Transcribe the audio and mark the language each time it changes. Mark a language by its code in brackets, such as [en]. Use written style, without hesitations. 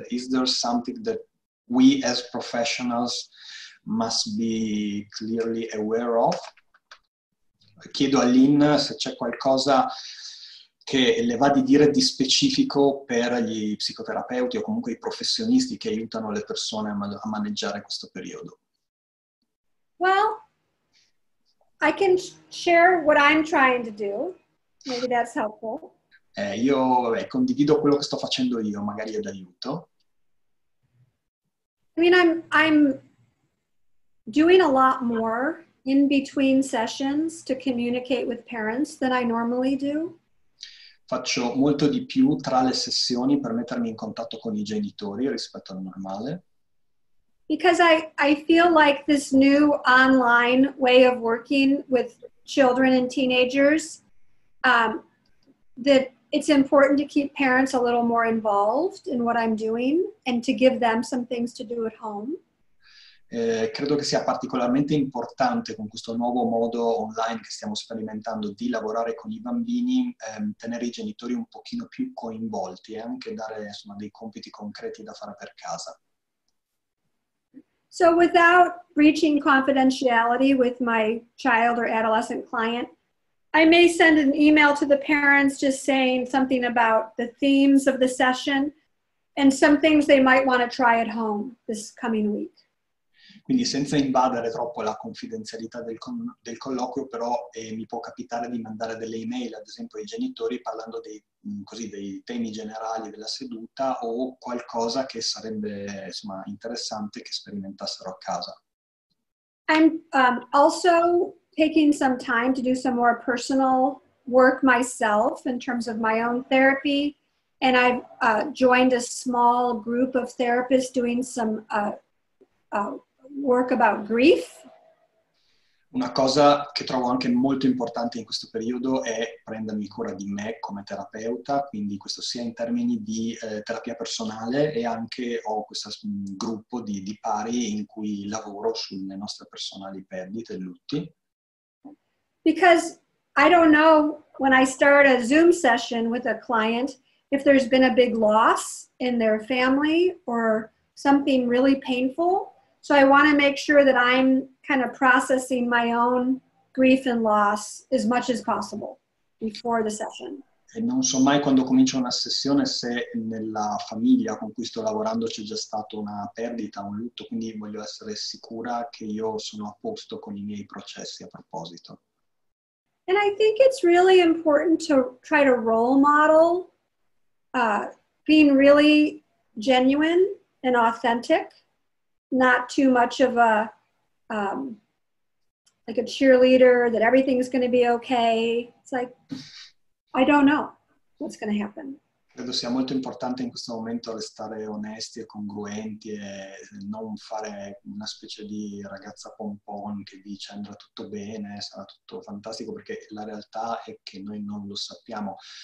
[en] Is there something that we as professionals must be clearly aware of? [it] Chiedo a Lynn se c'è qualcosa che le va di dire di specifico per gli psicoterapeuti o comunque i professionisti che aiutano le persone a maneggiare questo periodo. [en] Well, I can share what I'm trying to do. Maybe that's helpful. [it] Condivido quello che sto facendo io, magari è d'aiuto. [en] I mean, I'm doing a lot more in between sessions to communicate with parents than I normally do. [it] faccio molto di più tra le sessioni per mettermi in contatto con i genitori rispetto al normale. [en] Because I feel like this new online way of working with children and teenagers, that it's important to keep parents a little more involved in what I'm doing and to give them some things to do at home. [it] Credo che sia particolarmente importante con questo nuovo modo online che stiamo sperimentando di lavorare con i bambini, tenere i genitori un pochino più coinvolti e anche dare, insomma, dei compiti concreti da fare per casa. [en] So without breaching confidentiality with my child or adolescent client, I may send an email to the parents just saying something about the themes of the session and some things they might want to try at home this coming week. [it] Quindi senza invadere troppo la confidenzialità del colloquio, però mi può capitare di mandare delle email, ad esempio, ai genitori parlando dei temi generali della seduta o qualcosa che sarebbe, insomma, interessante che sperimentassero a casa. [en] I'm also taking some time to do some more personal work myself in terms of my own therapy. And I've joined a small group of therapists doing some work about grief. [it] Una cosa che trovo anche molto importante in questo periodo è prendermi cura di me come terapeuta, quindi questo sia in termini di terapia personale e anche ho questo gruppo di pari in cui lavoro sulle nostre personali perdite e lutti. [en] Because I don't know when I start a Zoom session with a client if there's been a big loss in their family or something really painful. So I want to make sure that I'm kind of processing my own grief and loss as much as possible before the session. [it] E non so mai quando comincio una sessione se nella famiglia con cui sto lavorando c'è già stata una perdita, un lutto, quindi voglio essere sicura che io sono a posto con i miei processi a proposito. [en] And I think it's really important to try to role model being really genuine and authentic, not too much of a like a cheerleader that everything's going to be okay. It's like, I don't know what's going to happen. [it] Credo sia molto importante in questo momento restare onesti e congruenti e non fare una specie di ragazza pompon che dice andrà tutto bene, sarà tutto fantastico, perché la realtà è che noi non lo sappiamo.